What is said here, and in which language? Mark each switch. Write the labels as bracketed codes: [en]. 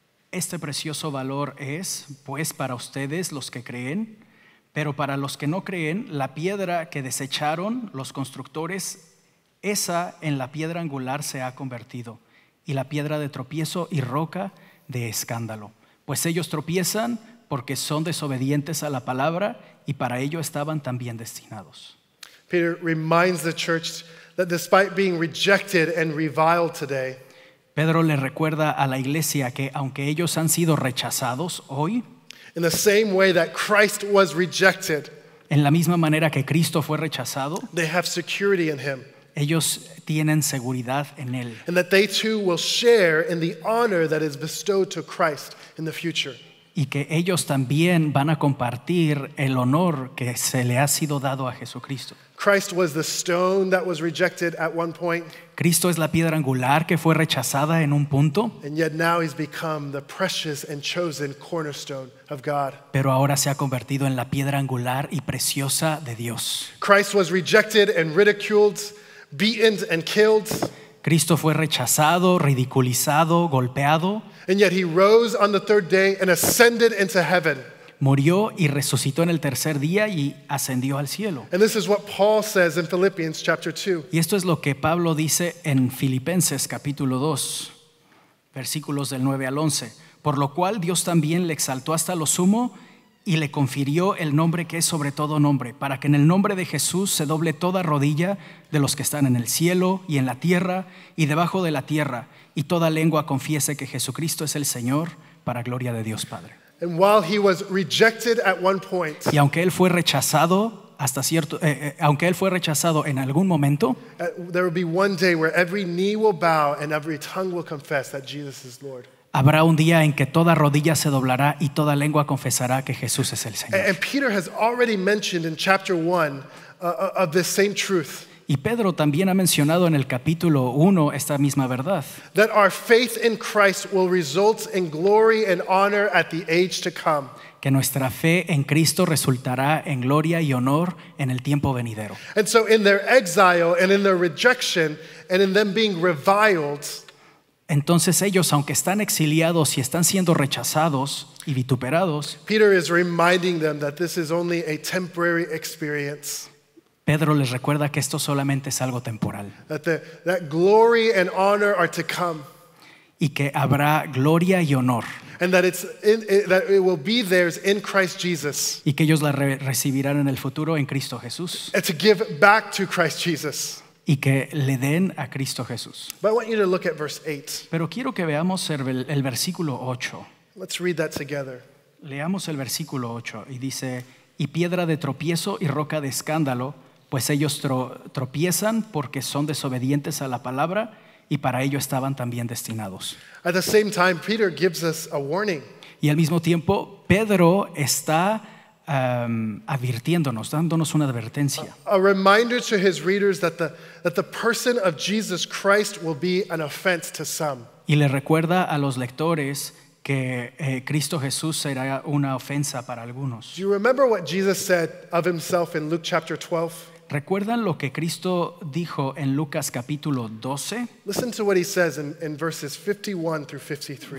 [es] Este precioso valor es, pues, para ustedes los que creen, pero para los que no creen, la piedra que desecharon los constructores, esa en la piedra angular se ha convertido, y la piedra de tropiezo y roca de escándalo. Pues ellos tropiezan porque son desobedientes a la palabra y para ello estaban también destinados. [en] Peter reminds the church that despite being rejected and reviled today, [es] Pedro le recuerda a la iglesia que aunque ellos han sido rechazados hoy, [en] in the same way that Christ was rejected, [es] en la misma manera que Cristo fue rechazado, [en] they have security in him. [es] Ellos tienen seguridad en él. [en] And that they too will share in the honor that is bestowed to Christ in the future. [es] Y que ellos también van a compartir el honor que se le ha sido dado a Jesucristo. [en] Christ was the stone that was rejected at one point. [es] Cristo es la piedra angular que fue rechazada en un punto. [en] And yet now he's become the precious and chosen cornerstone of God. [es] Pero ahora se ha convertido en la piedra angular y preciosa de Dios. [en] Christ was rejected and ridiculed, beaten and killed. [es] Cristo fue rechazado, ridiculizado, golpeado. [en] And yet he rose on the third day and ascended into heaven. [es] Murió y resucitó en el tercer día y ascendió al cielo. [en] And this is what Paul says in Philippians chapter 2. [es] Y esto es lo que Pablo dice en Filipenses capítulo 2, versículos del 9 al 11. Por lo cual Dios también le exaltó hasta lo sumo y le confirió el nombre que es sobre todo nombre, para que en el nombre de Jesús se doble toda rodilla de los que están en el cielo y en la tierra y debajo de la tierra, y toda lengua confiese que Jesucristo es el Señor, para gloria de Dios Padre. [en] And while he was rejected at one point, [es] y aunque él fue rechazado hasta cierto, aunque él fue rechazado en algún momento, [en] there will be one day where every knee will bow and every tongue will confess that Jesus is Lord. [es] Habrá un día en que toda rodilla se doblará y toda lengua confesará que Jesús es el Señor. [en] And Peter has already mentioned in chapter 1 of this same truth. [es] Y Pedro también ha mencionado en el capítulo 1 esta misma verdad. [en] That our faith in Christ will result in glory and honor at the age to come. [es] Que nuestra fe en Cristo resultará en gloria y honor en el tiempo venidero. [en] And so in their exile and in their rejection and in them being reviled, [es] entonces ellos, aunque están exiliados y están siendo rechazados y vituperados, [en] Peter is reminding them that this is only a temporary experience. [es] Pedro les recuerda que esto solamente es algo temporal. [en] That glory and honor are to come. [es] Y que habrá gloria y honor. [en] And that that it will be theirs in Christ Jesus. [es] Y que ellos la recibirán en el futuro en Cristo Jesús. [en] And to give back to Christ Jesus. [es] Y que le den a Cristo Jesús. [en] But I want you to look at verse 8. [es] Pero quiero que veamos el versículo 8. [en] Let's read that together. [es] Leamos el versículo 8 y dice: y piedra de tropiezo y roca de escándalo, pues ellos tropiezan porque son desobedientes a la palabra y para ello estaban también destinados. [en] At the same time, Peter gives us a warning. [es] Y al mismo tiempo, Pedro está advirtiéndonos, dándonos una advertencia. [en] A reminder to his readers that the person of Jesus Christ will be an offense to some. [es] Y le recuerda a los lectores que Cristo Jesús será una ofensa para algunos. [en] Do you remember what Jesus said of himself in Luke chapter 12? [es] ¿Recuerdan lo que Cristo dijo en Lucas capítulo 12? [en] Listen to what he says in verses 51 through 53.